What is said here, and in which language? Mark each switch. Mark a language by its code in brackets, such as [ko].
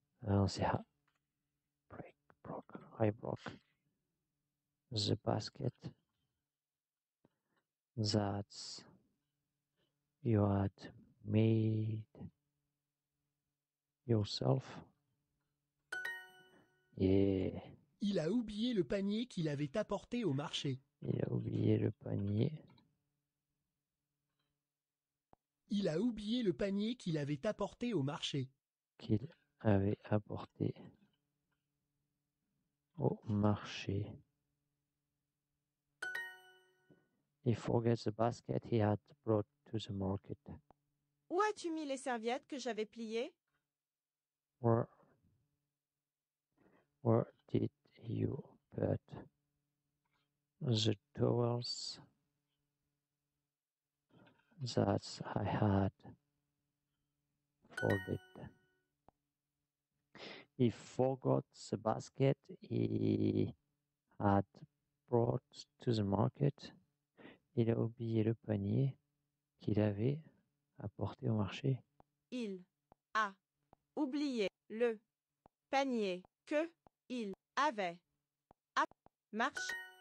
[en] I broke the basket that you had made yourself. Yeah. [fr] Il a oublié le panier qu'il avait apporté au marché. Il a oublié le panier. Il a oublié le panier qu'il avait apporté au marché. Qu'il avait apporté au marché. [en] He forgets the basket he had brought to the market. [fr] Où as-tu mis les serviettes que j'avais pliées? [en] Where did you put the towels that I had folded? He forgot the basket he had brought to the market. [fr] Il a oublié le panier qu'il avait apporté au marché. Il a oublié le panier que il avait à marche.